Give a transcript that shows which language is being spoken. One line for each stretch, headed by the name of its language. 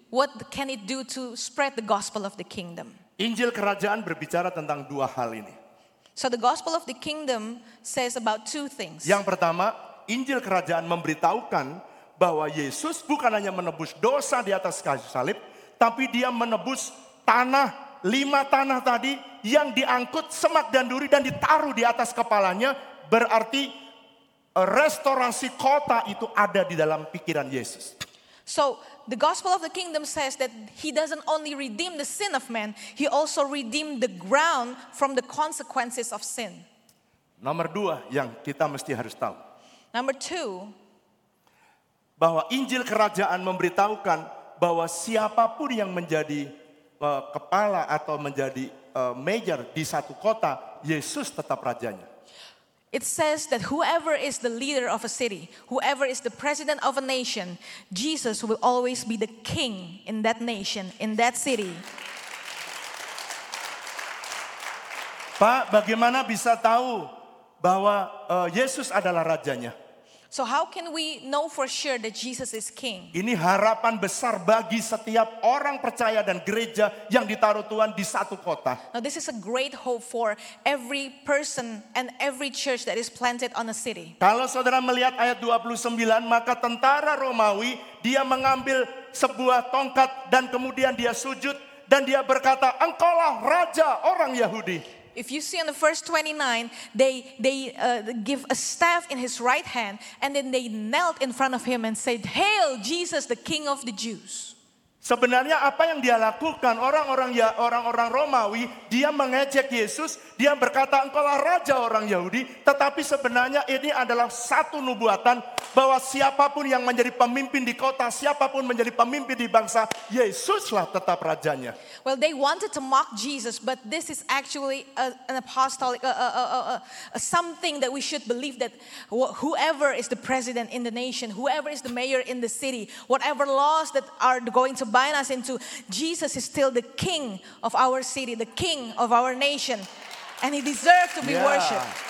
English: What can it do to spread the gospel of the kingdom?
Indonesian: Injil Kerajaan berbicara tentang dua hal ini.
English: So the gospel of the kingdom says about two things.
Indonesian: Yang pertama, Injil Kerajaan memberitahukan bahwa Yesus bukan hanya menebus dosa di atas kayu salib, tapi dia menebus tanah, lima tanah tadi yang diangkut semak dan duri dan ditaruh di atas kepalanya, berarti restorasi kota itu ada di dalam pikiran Yesus.
English: So the gospel of the kingdom says that he doesn't only redeem the sin of man, he also redeemed the ground from the consequences of sin.
Indonesian: Nomor dua yang kita mesti harus tahu.
English: Number two.
Indonesian: Bahwa Injil Kerajaan memberitahukan bahwa siapapun yang menjadi kepala atau menjadi mayor di satu kota, Yesus tetap rajanya.
English: It says that whoever is the leader of a city, whoever is the president of a nation, Jesus will always be the king in that nation, in that city.
Indonesian: Pak, bagaimana bisa tahu bahwa Yesus adalah rajanya?
English: So how can we know for sure that Jesus is king?
Indonesian: Ini harapan besar bagi setiap orang percaya dan gereja yang ditaruh Tuhan di satu kota.
English: Now this is a great hope for every person and every church that is planted on a city.
Indonesian: Kalau saudara melihat ayat 29, maka tentara Romawi, dia mengambil sebuah tongkat dan kemudian dia sujud dan dia berkata, "Engkaulah raja orang Yahudi."
English: If you see in the verse 29, they give a staff in his right hand, and then they knelt in front of him and said, "Hail Jesus, the King of the Jews."
Indonesian: Sebenarnya apa yang dia lakukan, orang-orang Romawi, dia mengejek Yesus, dia berkata, "Engkaulah raja orang Yahudi," tetapi sebenarnya ini adalah satu nubuatan bahwa siapapun yang menjadi pemimpin di kota, siapapun menjadi pemimpin di bangsa, Yesuslah tetap rajanya.
English: Well, they wanted to mock Jesus, but this is actually an apostolic something that we should believe, that whoever is the president in the nation, whoever is the mayor in the city, whatever laws that are going to bind us into, Jesus is still the king of our city, the king of our nation, and he deserves to be worshipped.